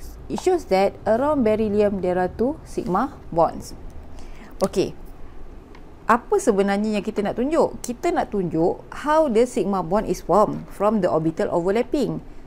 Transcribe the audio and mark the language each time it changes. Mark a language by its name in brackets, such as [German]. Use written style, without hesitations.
[English] It shows that around beryllium there are two sigma bonds. [Malay] Okay, apa sebenarnya yang kita nak tunjuk? Kita nak tunjuk [English] how the sigma bond is formed from the orbital overlapping.